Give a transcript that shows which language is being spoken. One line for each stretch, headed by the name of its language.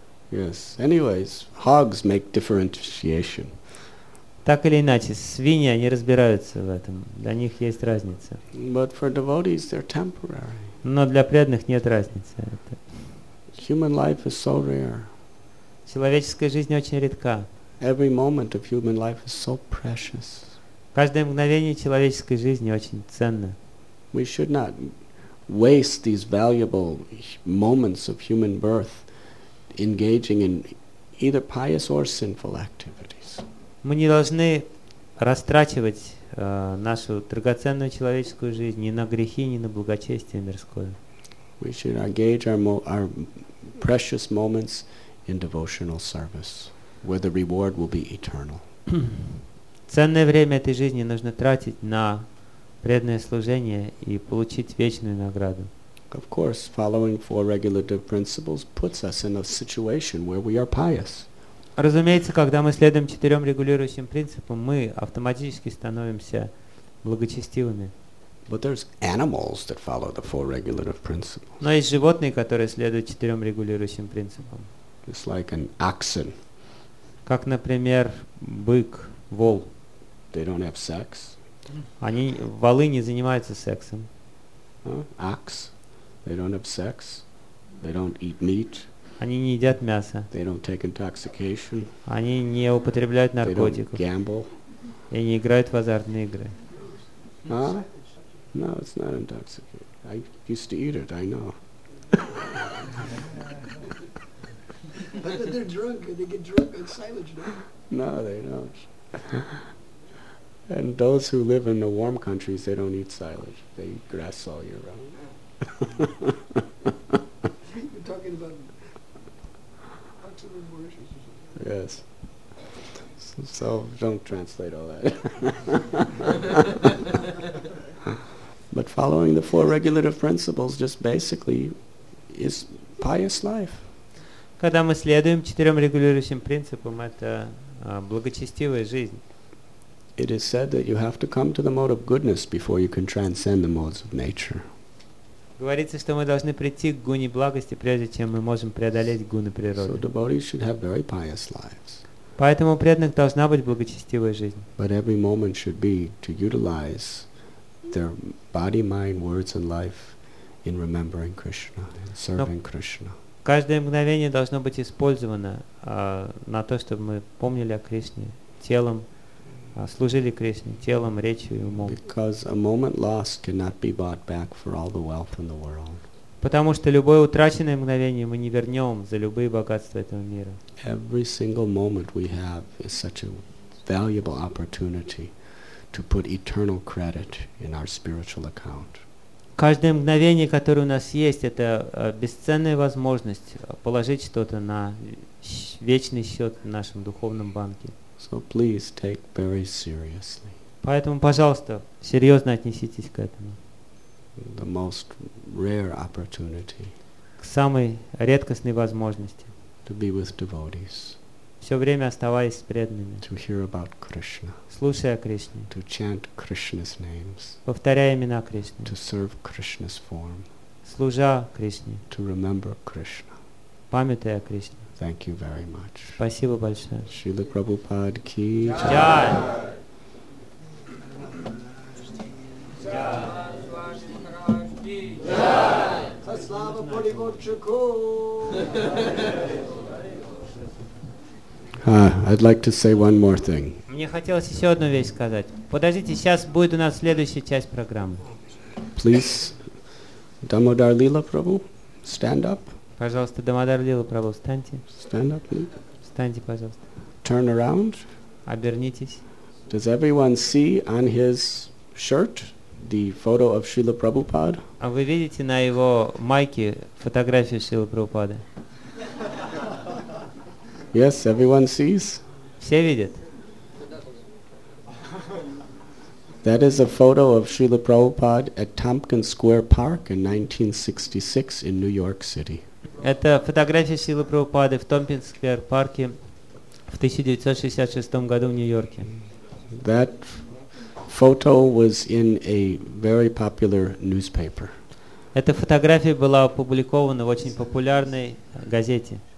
English: Yes. Anyways, hogs make differentiation.
Russian: Так или иначе, свиньи, они разбираются в этом. Для них есть разница.
English: But for devotees, they're temporary.
Russian: Но для преданных нет разницы.
English: Human life is so rare.
Russian: Человеческая жизнь очень редка.
English: Every moment of human life is so precious.
Russian: Каждое мгновение человеческой жизни очень ценно.
English: We should not waste these valuable moments of human birth engaging in either pious or sinful activities.
Russian: Мы не должны растрачивать нашу драгоценную человеческую жизнь ни на грехи, ни на благочестие мирское.
English: We should engage our precious moments in devotional service, where the reward will be eternal.
Russian: Ценное время этой жизни нужно тратить на преданное служение и получить вечную награду.
English: Of course, following four regulative principles puts us in a situation where we are pious.
Russian: Разумеется, когда мы следуем четырем регулирующим принципам, мы автоматически становимся благочестивыми.
English: But there's animals that follow the four regulative principles.
Russian: Но есть животные, которые следуют четырем регулирующим принципам.
English: Just like an oxen.
Russian: Как, например, бык, вол.
English: They don't have sex.
Russian: Волы не занимаются сексом.
English: acts. They don't have sex. They don't eat meat.
Russian: Они не едят мясо.
English: They don't take intoxication.
Russian: Они не употребляют наркотиков.
English: They don't gamble.
Russian: И не играют в азартные игры.
English: No, it's not intoxicating. I used to eat it. I know. But they're drunk. They get drunk on silage, no? No, they don't. And those who live in the warm countries, they don't eat silage. They eat grass all year round. You're talking about oxygen or yes. So don't translate all that. But following the four regulative principles just basically is pious life.
Russian: Когда мы следуем четырем регулирующим принципам, это благочестивая жизнь.
English: It is said that you have to come to the mode of goodness before you can transcend the modes of nature.
Russian: Говорится, что мы должны прийти к гуне благости, прежде чем мы можем преодолеть гуны природы.
English: So devotees should have very pious lives.
Russian: Поэтому у преданных должна быть благочестивая жизнь.
English: But every moment should be to utilize their body, mind, words, and life in remembering Krishna, in serving Krishna.
Russian: Каждое мгновение должно быть использовано на то, чтобы мы помнили о Кришне, телом, служили Кришне, телом, речью и умом.
English: Because a moment lost cannot be bought back for all the wealth in the world.
Russian: Потому что любое утраченное мгновение мы не вернем за любые богатства этого мира.
English: Every single moment we have is such a valuable opportunity to put eternal credit in our spiritual account.
Russian: Каждое мгновение, которое у нас есть, это бесценная возможность положить что-то на вечный счет в нашем духовном банке.
English: So please take very seriously.
Russian: Поэтому, пожалуйста, серьезно отнеситесь к этому.
English: The most rare opportunity.
Russian: К самой редкостной возможности.
English: To be with devotees.
Russian: Все время оставаясь с преданными.
English: To hear about Krishna.
Russian: Слушая о Кришне.
English: To chant Krishna's names.
Russian: Повторяя имена Кришны.
English: To serve Krishna's form.
Russian: Служа Кришне.
English: To remember Krishna.
Russian: Памятуя о Кришне.
English: Thank you very much.
Russian: Спасибо большое.
Hindi: Шрила Прабхупада ки джай.
English: I'd like to say one more thing.
Russian: Мне хотелось еще одну вещь сказать. Подождите, сейчас будет у нас следующая часть программы.
English: Please, Дамодар Лила Прабху, stand up.
Russian: Пожалуйста, Дамодар Лила Прабху, встаньте.
English: Stand up, please.
Russian: Встаньте, пожалуйста.
English: Turn around.
Russian: Обернитесь.
English: Does everyone see on his shirt the photo of Srila Prabhupada?
Russian: А вы видите на его майке фотографию Шрилы Прабхупады?
English: Yes, everyone sees.
Russian: Все видят.
English: That is a photo of Srila Prabhupada at Tompkins Square Park in 1966 in New York City.
Russian: Это фотография Шрилы Прабхупады в Tompkins Square Park в 1966 году в Нью-Йорке.
English: That photo was in a very popular newspaper.
Russian: Эта фотография была опубликована в очень популярной газете.